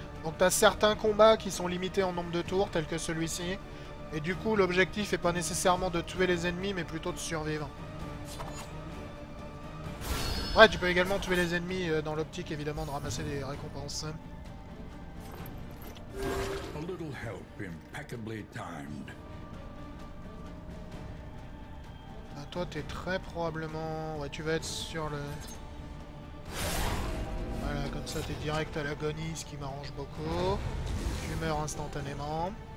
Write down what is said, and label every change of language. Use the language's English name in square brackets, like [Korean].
[French] Donc t'as certains combats qui sont limités en nombre de tours, tels que celui-ci. Et du coup, l'objectif est pas nécessairement de tuer les ennemis, mais plutôt de survivre. Ouais, tu peux également tuer les ennemis dans l'optique, évidemment, de ramasser des récompenses. [English] A little help impeccably timed. [French] Ah, toi, t'es très probablement... Ouais, tu vas être sur le... Voilà, comme ça, t'es direct à l'agonie, ce qui m'arrange beaucoup. Tu meurs instantanément.